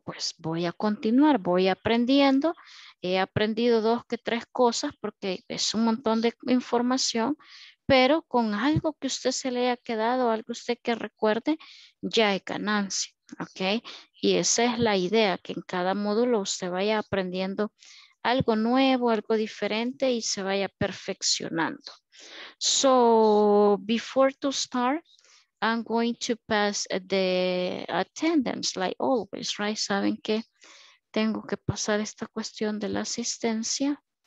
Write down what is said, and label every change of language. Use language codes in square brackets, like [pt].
[es] Pues voy a continuar, voy aprendiendo, he aprendido dos que tres cosas, porque es un montón de información, pero con algo que usted se le haya quedado, algo usted que recuerde, ya hay ganancia. Ok, y esa es la idea, que en cada módulo usted vaya aprendiendo algo nuevo, algo diferente y se vaya perfeccionando. [en] So, before to start, I'm going to pass the attendance, like always, right? [es] ¿Saben que tengo que pasar esta cuestión de la asistencia?